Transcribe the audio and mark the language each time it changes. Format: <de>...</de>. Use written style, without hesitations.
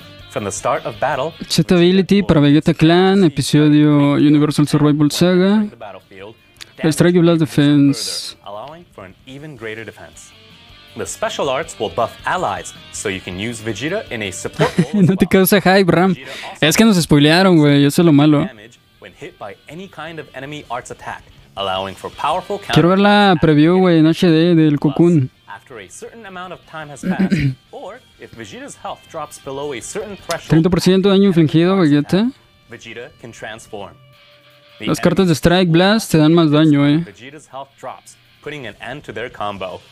<en>From the start of battle,</en> <es>Chet Ability para Vegeta Clan, episodio Universal Survival Saga, Strike Blast Defense.</es> <en>Allowing for an even greater defense. The special arts will buff allies, so you can use Vegeta in a support role.</en> <es>No te causa hype, Ram. Es que nos spoilearon, güey, eso es lo malo.</es> <en>When hit by any kind of enemy arts attack, allowing for powerful counter.</en> <es>Quiero ver la preview, güey, en HD del Cocoon.</es> <en>After a certain amount of time has passed, or if Vegeta's health drops below a certain threshold, 30%</en> <es>daño infligido,</es> <en>Vegeta. Vegeta can transform.</en> <es>Las cartas de Strike Blast te dan más daño, eh.</es> <en>Vegeta's health drops, putting an end to their combo.</en>